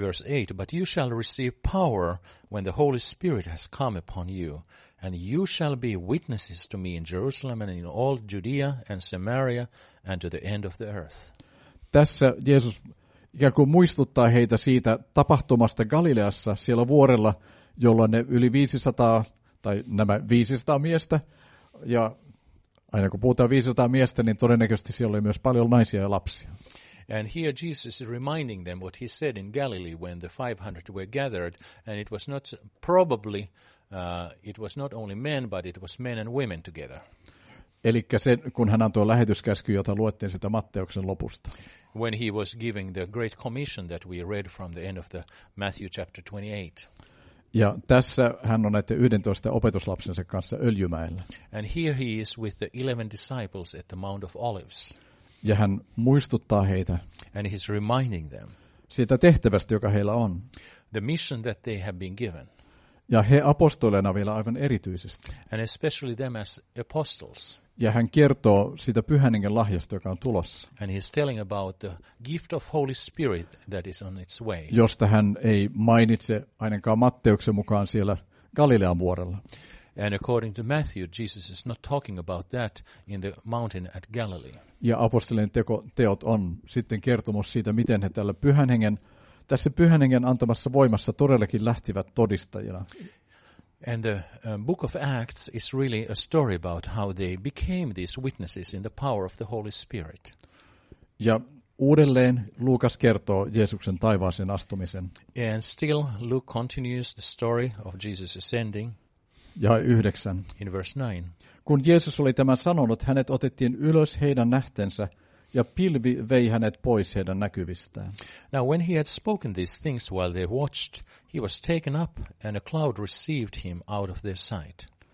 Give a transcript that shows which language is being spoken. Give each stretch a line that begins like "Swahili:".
English: Verse 8, but you shall receive power when the Holy Spirit has come upon you, and you shall be witnesses to me in Jerusalem and in all Judea and Samaria and to the end of the earth.
Finnish: Tässä Jeesus ikään kuin muistuttaa heitä siitä tapahtumasta Galileassa siellä vuorella, jolla ne yli 500, tai nämä 500 miestä, ja aina kun puhutaan 500 miestä, niin todennäköisesti siellä oli myös paljon naisia ja lapsia.
English: And here Jesus is reminding them what he said in Galilee when the 500 were gathered, and it was not probably, it was not only men, but it was men and women together.
Finnish: Elikkä se, kun hän antoi lähetyskäskyä, jota luettiin sitä Matteuksen lopusta.
English: When he was giving the great commission that we read from the end of the Matthew chapter 28.
Finnish: Ja tässä hän on näiden 11 opetuslapsensa kanssa Öljymäellä.
English: And here he is with the 11 disciples at the Mount of Olives.
Finnish: Ja hän muistuttaa heitä.
English: And he's reminding them.
Finnish: Siitä tehtävästä, joka heillä on.
English: The mission that they have been given.
Finnish: Ja he apostoleina vielä aivan erityisesti.
English: And especially them as apostles.
Finnish: Ja hän kertoo siitä Pyhän Hengen lahjasta, joka on tulossa.
English: And he's telling about the gift of Holy Spirit that is on its way.
Finnish: Josta hän ei mainitse ainakaan Matteuksen mukaan siellä Galilean vuorella.
English: And according to Matthew, Jesus is not talking about that in the mountain at Galilee.
Finnish: Ja apostolien teot on sitten kertomus siitä, miten he tällä Pyhän Hengen, tässä Pyhän Hengen antamassa voimassa todellakin lähtivät todistajina.
English: And the book of Acts is really a story about how they became these witnesses in the power of the Holy Spirit.
Finnish: Ja uudelleen Luukas kertoo Jeesuksen taivaaseen astumisen.
English: And still Luke continues the story of Jesus ascending.
Finnish: Ja 9.
English: In verse 9.
Finnish: Kun Jeesus oli tämän sanonut, hänet otettiin ylös heidän nähtensä, ja pilvi vei hänet pois heidän näkyvistään.
English: Now when he had spoken these things while they watched, he was taken up and a cloud received him out of their sight.